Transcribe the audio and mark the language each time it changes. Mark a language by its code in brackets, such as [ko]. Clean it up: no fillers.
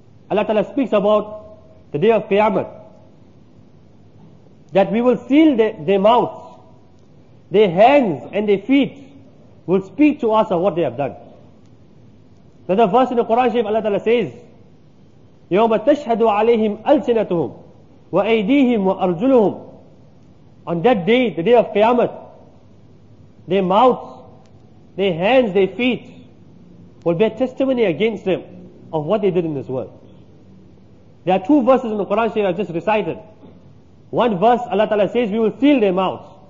[en] Allah Ta'ala speaks about the day of Qiyamah, that we will seal their mouths, their hands and their feet will speak to us of what they have done. Another verse in the Quran Sharif, Allah Ta'ala says, [ar] يوم تشهد عليهم ألسنتهم وأيديهم وأرجلهم. [en] On that day, the day of Qiyamah, their mouths, their hands, their feet will bear testimony against them of what they did in this world. There are two verses in the Quran that I just recited. One verse, Allah Ta'ala says, we will seal their mouths.